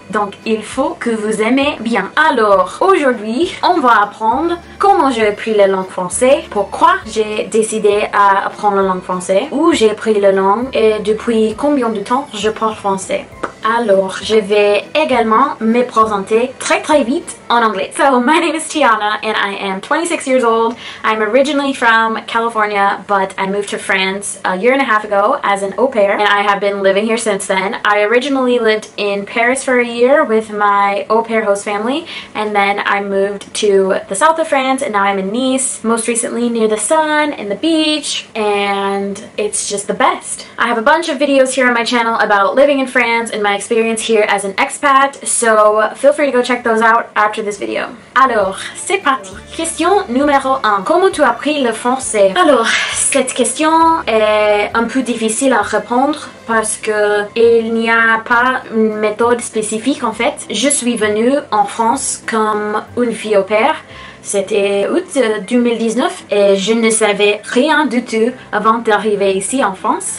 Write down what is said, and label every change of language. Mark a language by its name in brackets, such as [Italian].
[French] Donc il faut que vous aimez bien. Alors aujourd'hui, on va apprendre comment j'ai appris la langue française, pourquoi j'ai décidé à apprendre la langue française, où j'ai appris la langue et depuis combien de temps je parle français. Alors, je vais également me présenter très très vite en anglais. [English] So, my name is Tiana and I am 26 years old. I'm originally from California, but I moved to France a year and a half ago as an au pair and I have been living here since then. I originally lived in Paris for a year with my au pair host family and then I moved to the south of France and now I'm in Nice, most recently near the sun and the beach, and it's just the best. I have a bunch of videos here on my channel about living in France and my experience here as an expat, so feel free to go check those out after this video. [French] Alors, c'est parti. Question numéro 1. Comment tu as appris le français? Alors, cette question est un peu difficile à répondre parce que il n'y a pas une méthode spécifique en fait. Je suis venue en France comme une fille au pair. C'était août 2019 et je ne savais rien du tout avant d'arriver ici en France.